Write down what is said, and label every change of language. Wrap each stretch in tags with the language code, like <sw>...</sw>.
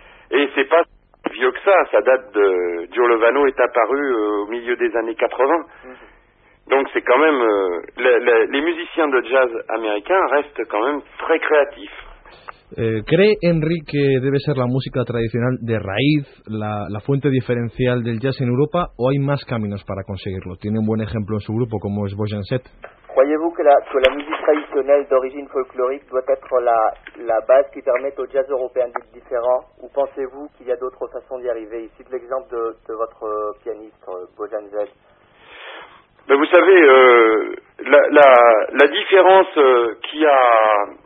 <fr>Et c'est pas vieux que ça, ça date de... Giulovano est apparu au milieu des années 80. Donc c'est quand même... les musiciens de jazz américains restent quand même très créatifs.</fr> <es>¿Cree, Enrique, que debe ser la música tradicional de raíz la fuente diferencial del jazz en Europa o hay más caminos para conseguirlo? Tiene un buen ejemplo en su grupo como es Bojan Set.</es> <fr>¿Croyez-vous que la musique traditionnelle d'origine folklorique doit être la base qui permet au jazz européen d'être différent ou pensez-vous qu'il y a d'autres façons d'y arriver? Ici, l'exemple de votre pianiste, Bojan Set. Mais vous savez, la différence qui a...</fr>